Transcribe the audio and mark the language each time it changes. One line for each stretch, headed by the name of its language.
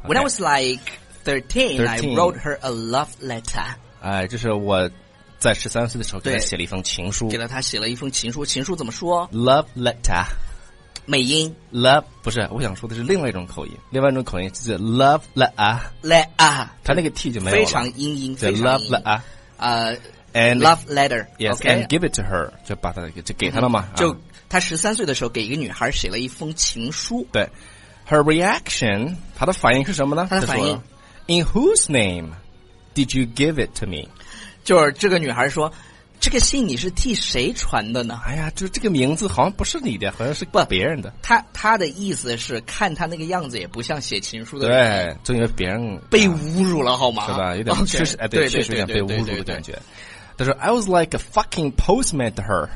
English: ？When I was like 13, I wrote her a love letter。
Chinese: 哎，就是我在13岁的时候给她写了一封情书，给了她写了一封情书，情书怎么说
English: ？Love letter。
Chinese: 美音 love 不是，我想说的是另外一种口音，另外一种口音就是 love 了啊，了啊，他那个 T 就没有了，非常英音，非常英
English: love 了啊，and love letter. Yes, okay. And give it to her.
Chinese: 就把他就给他了嘛。嗯、就他十三岁的时候给一个女孩写了一封情书。对 ，
English: her reaction，
Chinese: 他的反应是什么呢？他的反应
English: ，In whose name did you give it to me？
Chinese: 就是这个女孩说。这个信你是替谁传的呢？哎呀，就这个名字好像不是你的，好像是别人的。他的意思是，看他那个样子也不像写情书的人。对，就因为别人被侮辱了，好吗？是吧？有点确实，哎，对，确实有点被侮辱的感觉。他说
English: ，I was like a fucking postman to her。